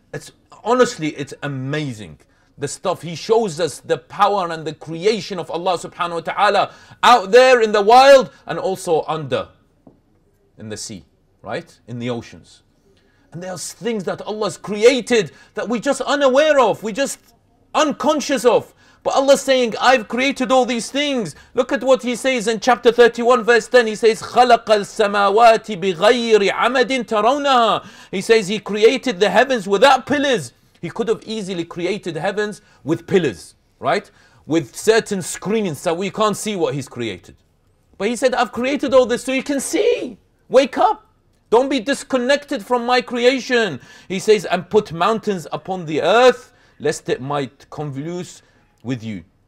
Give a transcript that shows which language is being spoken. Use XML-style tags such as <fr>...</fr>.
<en>It's honestly, it's amazing. The stuff he shows us, the power and the creation of Allah subhanahu wa ta'ala out there in the wild and also under in the sea, right? In the oceans. And there's things that Allah's created that we're just unaware of, we're just unconscious of. But Allah is saying, I've created all these things. Look at what He says in chapter 31, verse 10. He says,</en> <ar>خَلَقَ السَّمَاوَاتِ بِغَيْرِ عَمَدٍ تَرَوْنَهَا.</ar> <en>He says, He created the heavens without pillars. He could have easily created heavens with pillars, right? With certain screens so we can't see what He's created. But He said, I've created all this so you can see. Wake up. Don't be disconnected from my creation. He says, and put mountains upon the earth, lest it might convulse with you.</en>